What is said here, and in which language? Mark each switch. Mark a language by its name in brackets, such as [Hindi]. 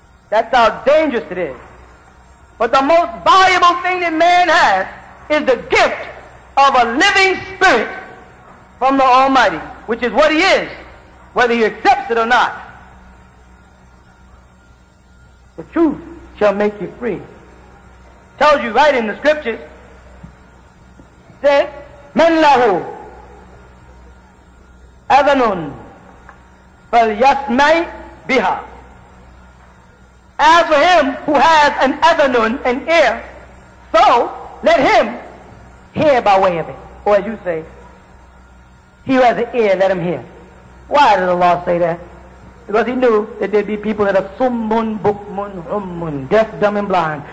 [English] That's how dangerous it is. But the most valuable thing that man has is the gift of a living spirit from the Almighty, which is what he is, whether he accepts it or not. The truth shall make you free. Tells you right in the scriptures. It says, [Arabic] من له أذن فليسمع بها. [English] As for him who has an أذن, an ear, so let him hear by way of it. Or as you say, he who has an ear, let him hear. Why did Allah say that? Because he knew that there'd be people that are summun, bukmun, ummun, deaf, dumb, and blind.